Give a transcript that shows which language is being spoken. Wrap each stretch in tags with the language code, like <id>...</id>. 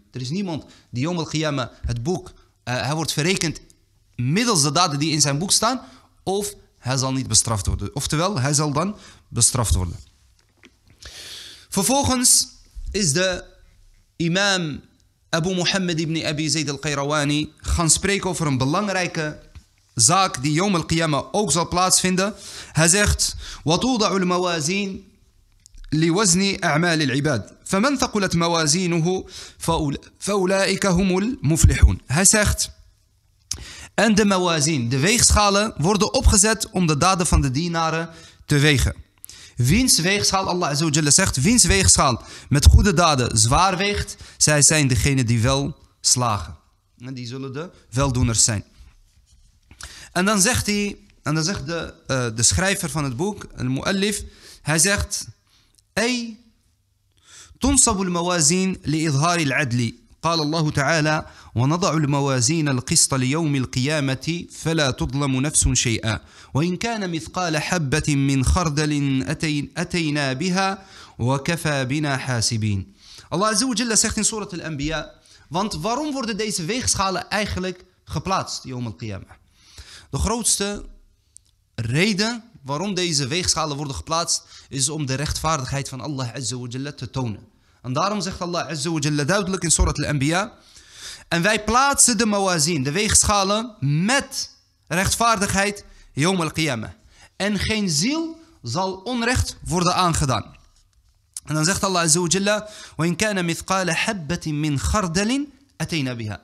<nl>Er is niemand die يَوْمَ الْقِيَامَةِ het boek, hij wordt verrekend middels de daden die in zijn boek staan, of hij zal niet bestraft worden. Oftewel, hij zal dan bestraft worden. Vervolgens is de imam Abu Muhammad ibn Abi Zayd al-Qayrawani gaan spreken over een belangrijke zaak die Yawm al-Qiyamah ook zal plaatsvinden.</nl> <ar>Hij zegt: وَتُوضَعُ الْمَوَازِينَ لِوَزْنِ أَعْمَالِ الْعِبَادِ فَمَنْ ثَقُلَتْ مَوَازِينُهُ فَأُولَٰئِكَ هُمُ الْمُفْلِحُونَ.</ar> <nl>Hij zegt: en de mawazin, de weegschalen, worden opgezet om de daden van de dienaren te wegen. Wiens weegschaal, Allah Azzawajal zegt, wiens weegschaal met goede daden zwaar weegt, zij zijn degene die wel slagen. En die zullen de weldoeners zijn. En dan zegt hij, en dan zegt de schrijver van het boek, een mu'allif, hij zegt, ey,</nl> <ar>tunsabu al-mawazin li-idhari al-adli. قال الله تعالى ونضع الموازين القسط ليوم القيامة فلا تظلم نفس شيئا وإن كان مثقال حبة من خردل أتينا بها وكفى بنا حاسبين.</ar> <nl>الله عز وجل zegt in سورة الأنبياء, want waarom worden deze weegschalen eigenlijk geplaatst يوم القيامة? De grootste reden waarom deze weegschalen worden geplaatst is om de rechtvaardigheid van Allah عز وجل te tonen. En daarom zegt Allah Azza wa Jalla duidelijk in Surat al-Anbiya: en wij plaatsen de mawazin, de weegschalen, met rechtvaardigheid, yawm al-qiyamah. En geen ziel zal onrecht worden aangedaan.</nl> <ar>En dan zegt Allah Azza wa Jalla: وَإِنْ كَانَ مِثْقَالَ حَبَّةٍ مِّنْ خَرْدَلٍ أَتَيْنَا بِهَا.</ar>